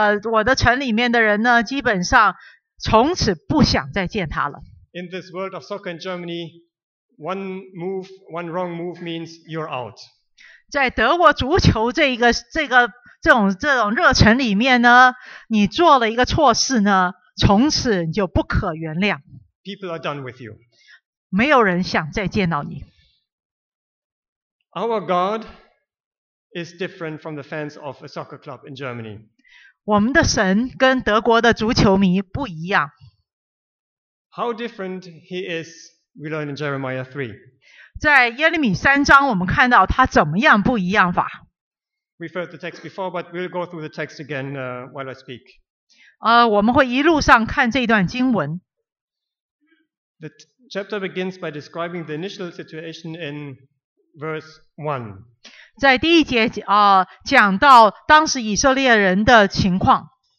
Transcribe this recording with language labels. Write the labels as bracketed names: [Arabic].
[Chinese] 我的城里面的人呢，基本上从此不想再见他了。 [English] In this world of soccer in Germany, one wrong move means you're out. [Chinese] 在德国足球这种热忱里面呢，你做了一个错事呢。从此你就不可原谅。 [English] People are done with you. [Chinese] 没有人想再见到你。 [English] Our God is different from the fans of a soccer club in Germany. [Chinese] 我们的神跟德国的足球迷不一样。 [English] How different he is, we learn in Jeremiah 3. [Chinese] 在耶利米三章，我们看到他怎么样不一样法。 [English] We've heard the text before, but we'll go through the text again, while I speak. [Chinese] 我们会一路上看这段经文。 [English] The chapter begins by describing the initial situation in verse 1. [Chinese] 在第一节讲到当时以色列人的情况。